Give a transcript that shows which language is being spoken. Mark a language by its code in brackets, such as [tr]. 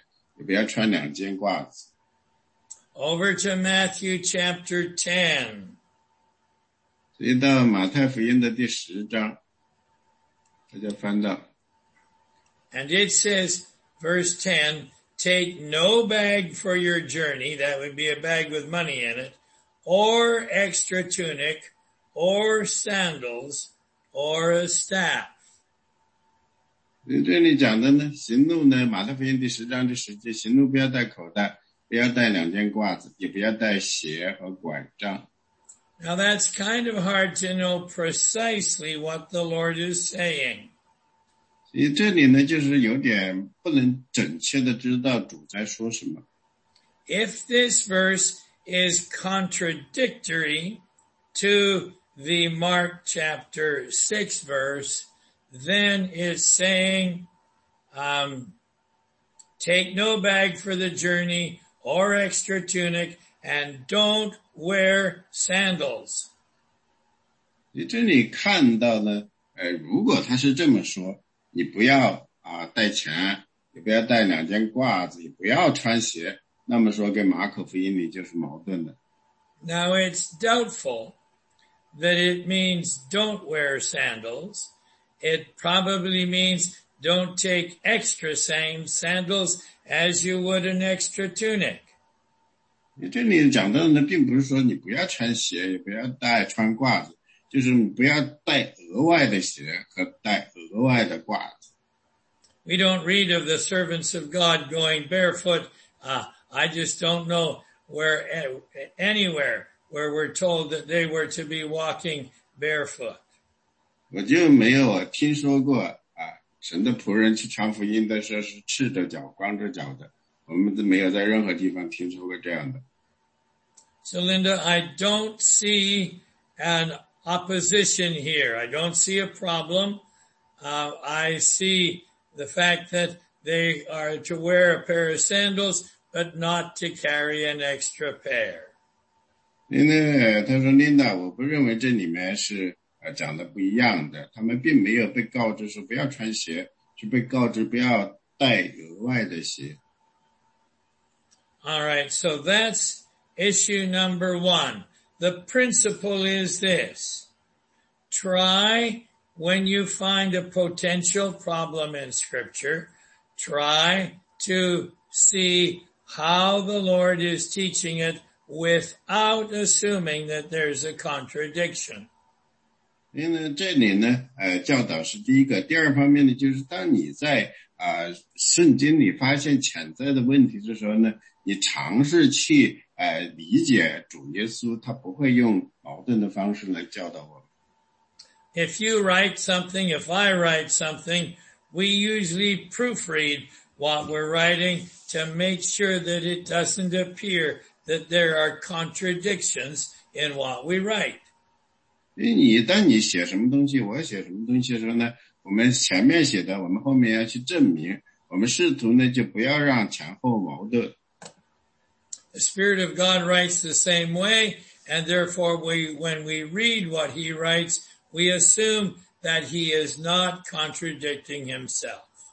[zh] 马可福音第六章第九节说，只要穿鞋，也不要穿两件褂子。 [en] Over to Matthew chapter 10. [zh] 所以到马太福音的第十章，他就翻到。 [en] And it says, verse 10, take no bag for your journey, that would be a bag with money in it, or extra tunic, or sandals or a staff. [zh] 这里讲的呢，行路呢，马太福音第十章第十节，行路不要带口袋，不要带两件褂子，也不要带鞋和拐杖。 [en] Now that's kind of hard to know precisely what the Lord is saying. [zh] 所以这里呢，就是有点不能准确的知道主在说什么。 [en] If this verse is contradictory to the Mark chapter 6 verse, then it's saying, take no bag for the journey or extra tunic and don't wear sandals. [zh] 你这里看到呢，如果他是这么说，你不要啊带钱，你不要带两件褂子，你不要穿鞋。那么说跟马可福音里就是矛盾的。 [en] Now it's doubtful that it means don't wear sandals. It probably means don't take extra same sandals as you would an extra tunic. [zh] 这里讲到的并不是说你不要穿鞋，也不要带穿褂子，就是你不要带额外的鞋和带额外的褂子。 [en] We don't read of the servants of God going barefoot, I just don't know where, anywhere where we're told that they were to be walking barefoot. [zh] 我就没有听说过啊，神的仆人去传福音的时候是赤着脚、光着脚的。我们都没有在任何地方听说过这样的。 [en] So Linda, I don't see an opposition here. I don't see a problem. I see the fact that they are to wear a pair of sandals, but not to carry an extra pair. [zh] 因为他说 Linda, 我不认为这里面是讲的不一样的。他们并没有被告知说不要穿鞋，是被告知不要带额外的鞋。 [en] All right, so that's issue number one. The principle is this. Try, when you find a potential problem in Scripture, try to see how the Lord is teaching it without assuming that there's a contradiction. [zh] 因为这里呢，教导是第一个。第二方面呢，就是当你在圣经里发现潜在的问题的时候呢，你尝试去理解主耶稣，他不会用矛盾的方式来教导我们。 [en] If you write something, if I write something, we usually proofread what we're writing to make sure that it doesn't appear that there are contradictions in what we write. [zh] 因为当你写什么东西，我写什么东西的时候呢，我们前面写的，我们后面要去证明，我们试图呢，就不要让前后矛盾。 [en] The Spirit of God writes the same way, and therefore when we read what he writes, we assume that he is not contradicting himself.